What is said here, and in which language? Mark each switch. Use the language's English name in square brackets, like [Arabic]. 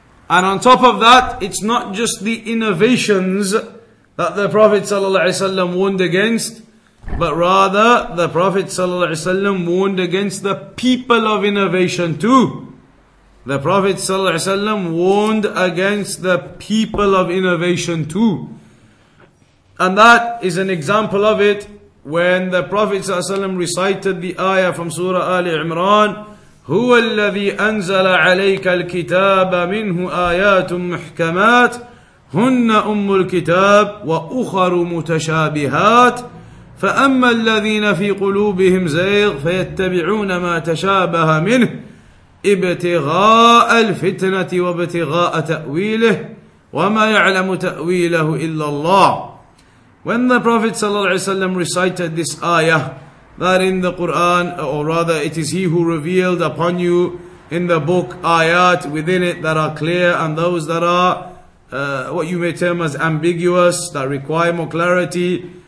[English] And on top of that, it's not just the innovations that the Prophet ﷺ warned against, But rather, the Prophet ﷺ warned against the people of innovation too. The Prophet ﷺ warned against the people of innovation too. And that is an example of it when the Prophet ﷺ recited the ayah from Surah Ali Imran, [Arabic] هو الذي أنزل عليك الكتاب منه آيات محكمات هن أم الكتاب وأخر متشابهات فأما الذين في قلوبهم زيغ فيتبعون ما تشابه منه ابتغاء الفتنة وابتغاء تأويله وما يعلم تأويله إلا الله. [English] When the Prophet ﷺ recited this ayah, that in the Quran, or rather it is he who revealed upon you in the book ayat within it that are clear, and those that are what you may term as ambiguous, that require more clarity.